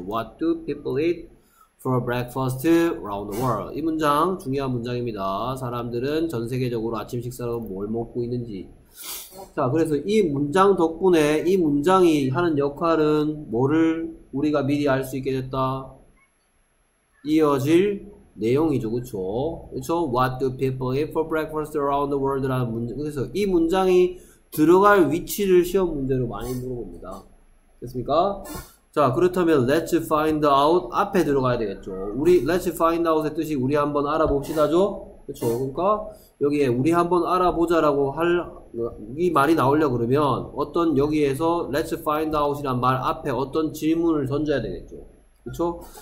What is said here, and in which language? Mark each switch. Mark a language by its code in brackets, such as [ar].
[en] What do people eat for breakfast around the world? [ko] 이 문장 중요한 문장입니다. 사람들은 전 세계적으로 아침 식사로 뭘 먹고 있는지. 자, 그래서 이 문장 덕분에 이 문장이 하는 역할은 뭐를 우리가 미리 알수 있게 됐다. 이어질 내용이죠, 그쵸? 그쵸? [en] What do people eat for breakfast around the world? [ko] 라는 문장. 그래서 이 문장이 들어갈 위치를 시험 문제로 많이 물어봅니다. 됐습니까? 자, 그렇다면, [en] let's find out [ko] 앞에 들어가야 되겠죠. [en] let's find out [ko] 의 뜻이 우리 한번 알아봅시다죠? 그쵸? 그러니까, 여기에 우리 한번 알아보자라고 이 말이 나오려고 그러면, 어떤 여기에서 [en] let's find out [ko] 이란 말 앞에 어떤 질문을 던져야 되겠죠. 그쵸?